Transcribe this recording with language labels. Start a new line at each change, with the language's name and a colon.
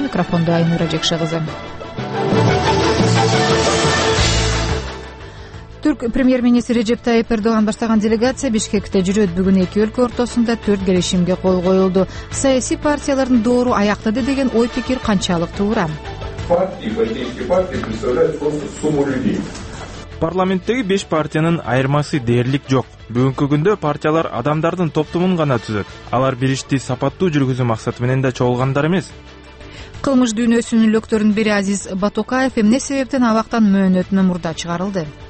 Kyrgyz: Микрофондо Айнура Жекши кызы. Түрк премьер-министри Режеп Тайип Эрдоган баштаган делегация Бишкекте жүрөт. Бүгүн эки өлкө ортосунда 4 келишимге кол коюлду. Саясий партиялардын доору аяктады деген ой-пикир канчалык туура?
Russian: Партии, политические партии представляют просто сумму людей.
Kyrgyz: Парламенттеги 5 партиянын айырмасы дээрлик жок. Бүгүнкү күндө партиялар адамдардын топтумун гана түзөт. Алар бир ишти сапаттуу жүргүзүү максаты менен да чогулгандар эмес. Кылмыш дүйнөсүнүн лектөрүн бири Азиз Батукаев эмне себептен абактан мөөнөтүнө мурда чыгарылды?